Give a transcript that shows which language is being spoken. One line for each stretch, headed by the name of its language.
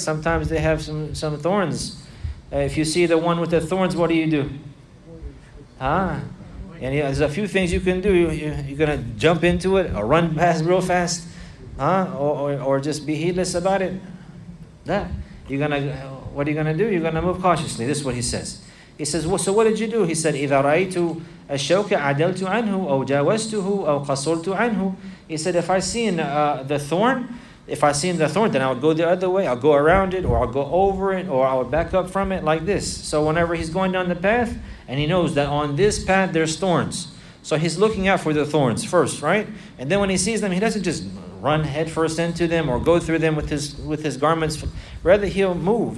English: Sometimes they have some thorns. If you see the one with the thorns, what do? Huh? And yeah, there's a few things you can do. You're going to jump into it or run past real fast, huh? Or just be heedless about it. That. What are you going to do? You're going to move cautiously. This is what he says. He says, well, so what did you do? He said,
Arabic: إِذَا رَأَيْتُ الشَّوْكَ عَدَلْتُ عَنْهُ أَوْ جَاوَزْتُهُ أَوْ قَصُرْتُ عَنْهُ.
English: He said, if I seen the thorn, then I would go the other way. I'll go around it, or I'll go over it, or I would back up from it like this. So whenever he's going down the path, and he knows that on this path there's thorns, so he's looking out for the thorns first, right? And then when he sees them, he doesn't just run headfirst into them or go through them with his garments. Rather, he'll move.